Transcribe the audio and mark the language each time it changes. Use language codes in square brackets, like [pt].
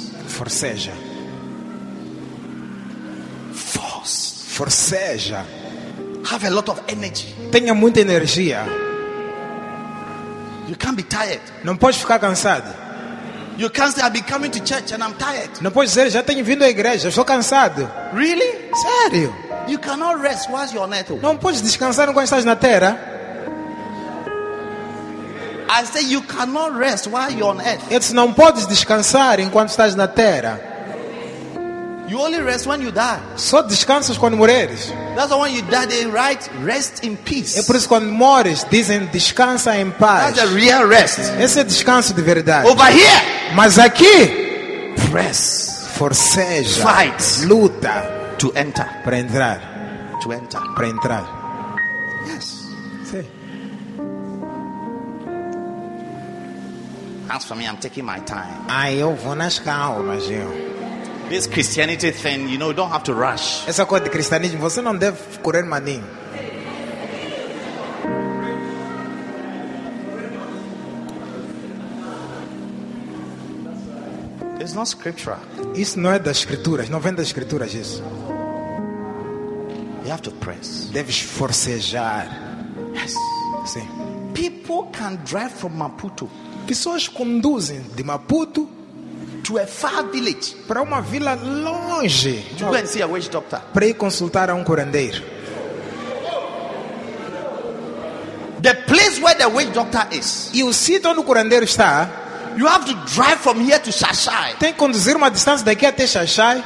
[pt] Forceja. [en] Force. [pt] Forceja. [en] Have a lot of energy. [pt] Tenha muita energia. [en] You can't be tired. [pt] Não podes ficar cansado. [en] You can't say I've been coming to church and I'm tired. [pt] Não podes dizer já tenho vindo à igreja, estou cansado. [en] Really? [pt] Sério? [en] You cannot rest whilst you're on earth. [pt] Não podes descansar enquanto estás na terra. [en] I say you cannot rest while you're on earth. [pt] Eles não podes descansar enquanto estás na terra. [en] You only rest when you die. [pt] Só descansas quando morreres. [en] That's when you die, they write rest in peace. [pt] É por isso quando morres dizem descansa em paz. [en] That's a real rest. [pt] Esse é descanso de verdade. [en] Over here. [pt] Mas aqui. [en] Press. [pt] Forceja. [en] Fight. [pt] Luta. [en] To enter. [pt] Para entrar. [en] To enter. [pt] Para entrar. [en] Yes. [pt] Sim. [en] As for me, I'm taking my time. [pt] Ai, eu vou nas calmas, eu. [en] This Christianity thing, you know, you don't have to rush. [pt] Essa coisa de cristianismo, você não deve correr maninho. [en] It's not scriptural. [pt] Isso não é das escrituras, não vem das escrituras isso. [en] You have to press. [pt] Deves forcejar. [en] Yes. [pt] Sim. [en] People can drive from Maputo. [pt] Pessoas conduzem de Maputo [en] to a far village. [pt] Para uma vila longe. [en] To go and see a witch doctor. [pt] Para ir consultar a curandeiro. [en] The place where the witch doctor is. [pt] E o sítio onde o curandeiro está. [en] You have to drive from here to Xaxai. [pt] Tem que conduzir uma distância daqui até Xaxai.